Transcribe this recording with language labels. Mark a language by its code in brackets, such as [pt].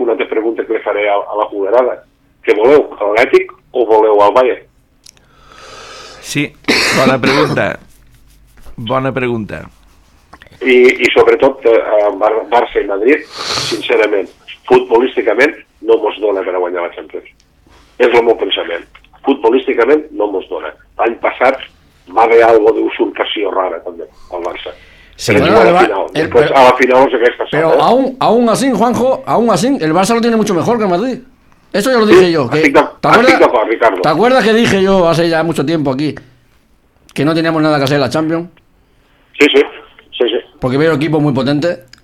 [ca] Una altra pregunta que li faré a la jugadora. Què voleu, l'Atlètic o voleu al Bayern? Sí, bona pregunta. Bona pregunta. I sobretot Barça i Madrid, sincerament, futbolísticament, no mos dona per a guanyar la Champions. És el meu pensament. Futbolísticament, no mos dona. L'any passat va haver algo d'usurpació rara també, al Barça. Sí, però bueno, a la final és aquesta. [es] Però aún así, Juanjo, aún así, el Barça lo tiene mucho mejor que el Madrid. Eso ya lo dije, sí, yo. ¿Te acuerdas que dije yo hace ya mucho tiempo aquí que no teníamos nada que hacer en la Champions? Sí, sí, sí, sí. Porque veo equipos muy potentes.